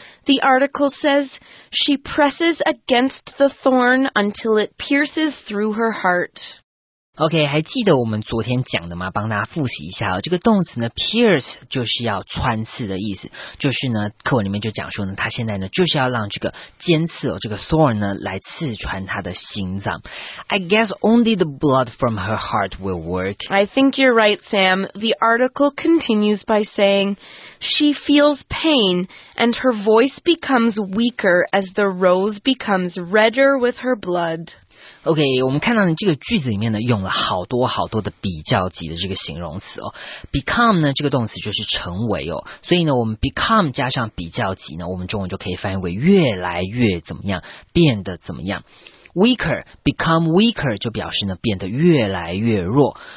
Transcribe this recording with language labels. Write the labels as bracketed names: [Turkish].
[English] The article says she presses against the thorn until it pierces through her heart. [Chinese] OK， 还记得我们昨天讲的吗？帮大家复习一下哦。这个动词呢 ，pierce 就是要穿刺的意思，就是呢，课文里面就讲说呢，他现在呢就是要让这个尖刺哦，这个 thorn 呢来刺穿他的心脏。 [English] I guess only the blood from her heart will work. I think you're right, Sam. The article continues by saying she feels pain and her voice becomes weaker as the rose becomes redder with her blood. [Chinese] OK， 我们看到呢这个句子里面呢用了好多好多的比较级的这个形容词哦。 Become 呢这个动词就是成为哦。所以呢我们 become 加上比较级呢我们中文就可以翻译为越来越怎么样变得怎么样。 [English] Weaker, become weaker [Chinese] 就表示呢变得越来越弱。